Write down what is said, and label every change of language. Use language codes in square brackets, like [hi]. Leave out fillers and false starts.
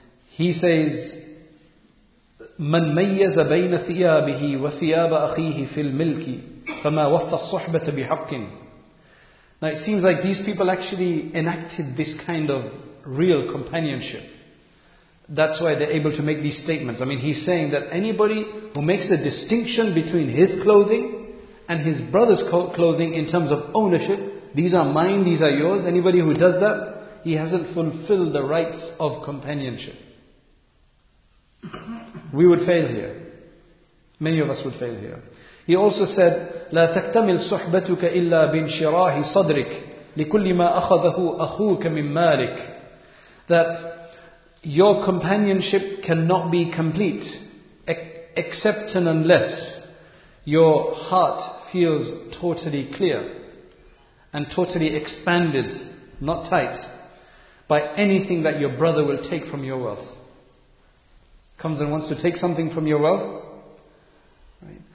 [en] He says, [ar] مَنْ مَيَّزَ بَيْنَ ثِيَابِهِ وَثِيَابَ أَخِيهِ فِي الْمِلْكِ فَمَا وَفَّ الصُّحْبَةَ بِحَقٍ. [en] Now it seems like these people actually enacted this kind of real companionship. That's why they're able to make these statements. I mean, he's saying that anybody who makes a distinction between his clothing and his brother's clothing in terms of ownership, these are mine, these are yours, anybody who does that, he hasn't fulfilled the rights of companionship. We would fail here. Many of us would fail here. He also said, [ar] لا تكتمل صحبتك إلا بانشراح صدرك لكل ما أخذه أخوك من مالك. [en] That your companionship cannot be complete except and unless your heart feels totally clear and totally expanded, not tight, by anything that your brother will take from your wealth. Comes and wants to take something from your wealth, right?